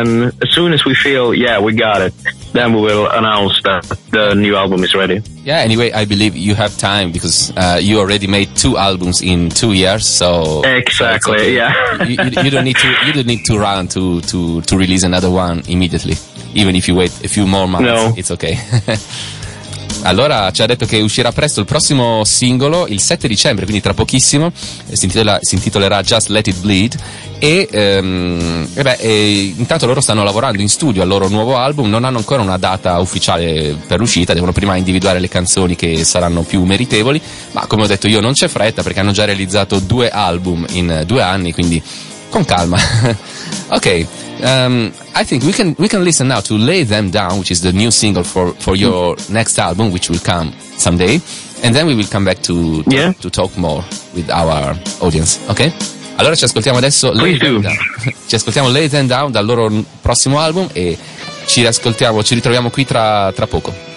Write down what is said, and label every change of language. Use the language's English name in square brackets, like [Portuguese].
[English] And as soon as we feel, yeah, we got it, then we will announce that the new album is ready. Yeah, anyway, I believe you have time, because you already made two albums in 2 years. So exactly, okay. Yeah. you don't need to run to release another one immediately. Even if you wait a few more months, no. It's okay. [Italian] Allora, ci ha detto che uscirà presto il prossimo singolo, il 7 dicembre, quindi tra pochissimo, si intitolerà Just Let It Bleed, E intanto loro stanno lavorando in studio al loro nuovo album, non hanno ancora una data ufficiale per l'uscita, devono prima individuare le canzoni che saranno più meritevoli, ma come ho detto io non c'è fretta perché hanno già realizzato 2 album in 2 anni, quindi con calma. [English] Ok, I think we can listen now to Lay Them Down, which is the new single for your next album, which will come someday, and then we will come back to talk more with our audience. Ok? [Italian] Allora ci ascoltiamo adesso Lay Them Down dal loro prossimo album e ci ritroviamo qui tra poco.